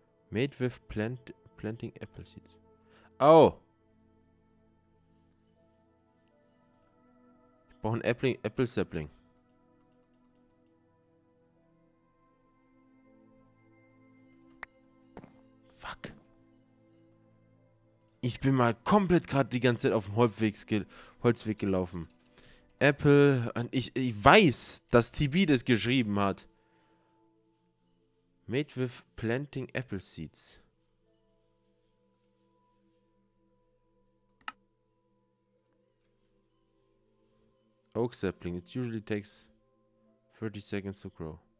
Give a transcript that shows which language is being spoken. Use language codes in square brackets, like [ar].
[en] Made with planting apple seeds. Oh! [de] Ich brauche ein Apple Sapling. Ich bin mal komplett gerade die ganze Zeit auf dem Holzweg gelaufen. Apple. Ich weiß, dass TB das geschrieben hat. [en] Made with planting apple seeds. Oak sapling. It usually takes 30 seconds to grow.